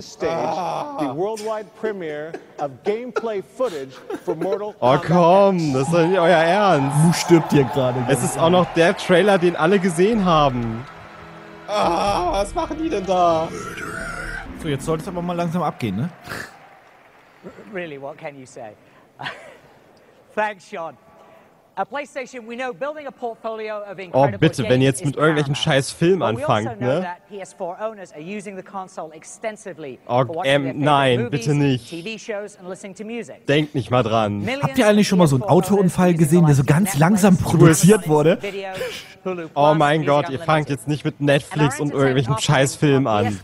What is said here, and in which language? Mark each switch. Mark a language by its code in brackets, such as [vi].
[en] Stage, the worldwide premiere of gameplay footage for Mortal [de] Kombat. Oh komm, das ist nicht euer Ernst. Du stirbt hier gerade. Es ist auch noch der Trailer, den alle gesehen haben. Ah, was machen die denn da? So, jetzt sollte es aber mal langsam abgehen, ne? [en] Really, what can you say? Thanks, Sean. A PlayStation, we know building a portfolio of incredible [de] games. Oh, bitte, wenn ihr jetzt mit irgendwelchen scheiß Filmen anfangt, ne? [en] PS4 owners are using the console extensively. [de] Oh, nein, bitte nicht. [en] TV shows and listening to music. [de] Denkt nicht mal dran. Habt ihr eigentlich schon mal so einen Autounfall gesehen, der so ganz langsam produziert wurde? Oh mein Gott, ihr fangt jetzt nicht mit Netflix und irgendwelchen scheiß Filmen an.